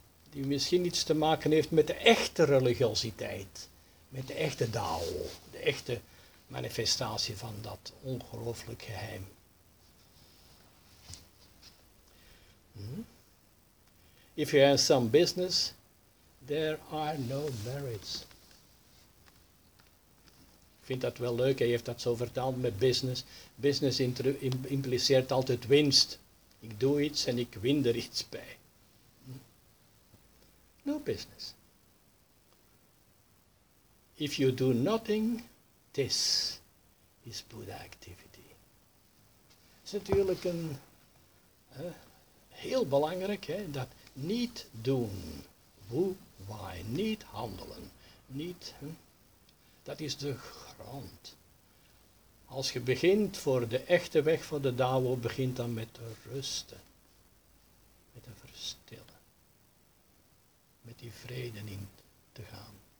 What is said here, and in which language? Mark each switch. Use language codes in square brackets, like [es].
[nl] Die misschien iets te maken heeft met de echte religiositeit. Met de echte Dao. De echte manifestatie van dat ongelooflijk geheim. [en] If you have some business, there are no merits. [nl] Ik vind dat wel leuk, hij heeft dat zo vertaald met business. Business impliceert altijd winst. Ik doe iets en ik win er iets bij. [en] No business. If you do nothing, this is Buddha activity. [nl] Het is natuurlijk een... Heel belangrijk, hè, dat niet doen, woe, why, niet handelen, niet, hè, dat is de grond. Als je begint voor de echte weg voor de Dao, begint dan met te rusten, met te verstillen, met die vrede in te gaan.